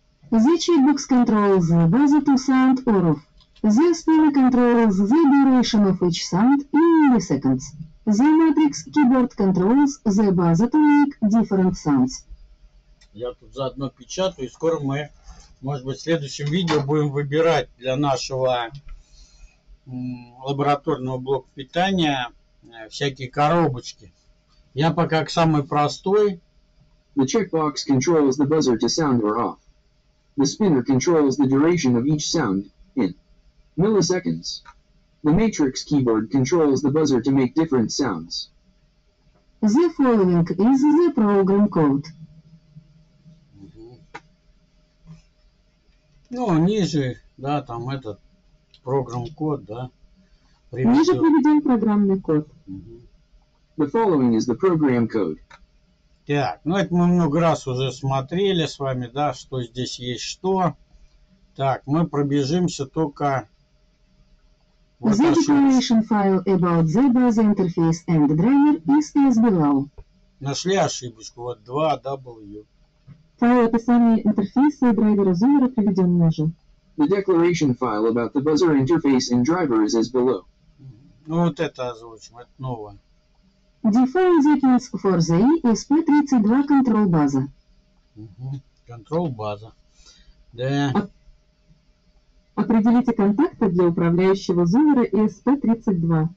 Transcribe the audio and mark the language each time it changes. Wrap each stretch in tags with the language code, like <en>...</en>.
<en>The checkbox controls the buzzer to sound or off. The spinner controls the duration of each sound in milliseconds. The matrix keyboard controls the buzzer to make different sounds.</en> <ru>Я тут заодно печатаю, и скоро мы, может быть, в следующем видео будем выбирать для нашего лабораторного блока питания всякие коробочки. Я пока к самой простой.</ru> <en>The checkbox controls the buzzer to sound or off. The spinner controls the duration of each sound in milliseconds. The matrix keyboard controls the buzzer to make different sounds. The following is the program code.</en> <ru>Ну, ниже, да, там этот программ-код, да. Ниже приведем программный код.</ru> <en>The following is the program code.</en> <ru>Так, ну это мы много раз уже смотрели с вами, да, что здесь есть что. Так, мы пробежимся только...</ru> <en>The declaration file about the buzzer interface and driver is as below.</en> <ru>Нашли ошибочку, вот 2W. Файл описания интерфейса и драйвера Zoomer'а приведен ниже.</ru> <en>The declaration file about the buzzer interface and driver is as below.</en> <ru>Ну вот это озвучим, это новое.</ru> <en>Default settings for the ESP32 control база.</en> <ru>Control база. Да. Определите контакты для управляющего Zoomer'а ESP32.</ru>